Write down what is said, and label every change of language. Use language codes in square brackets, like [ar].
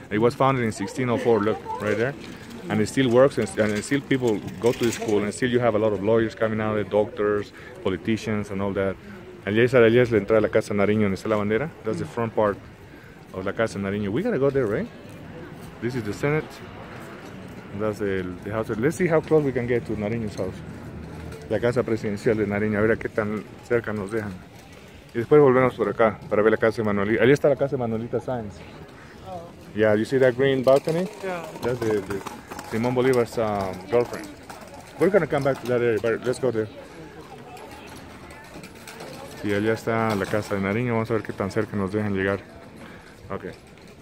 [en] It was founded in 1604, look, right there. And it still works, and still people go to this school, and still you have a lot of lawyers coming out, doctors, politicians, and all that. [es] Allí es la entrada de la Casa Nariño, donde está la bandera. [en] That's the front part of La Casa Nariño. We gotta go there, right? This is the Senate. That's the house. Let's see how close we can get to Nariño's house. [es] La Casa Presidencial de Nariño. A ver a qué tan cerca nos dejan. Y después volvemos por acá para ver la Casa de Manuelita. Allí está la Casa de Manuelita Sáenz. [en] Oh. Yeah, you see that green balcony? Yeah. That's the Simón Bolívar's girlfriend. We're gonna come back to that area, but let's go there. [es] Y allá está la Casa de Nariño. Vamos a ver qué tan cerca nos dejan llegar. Okay.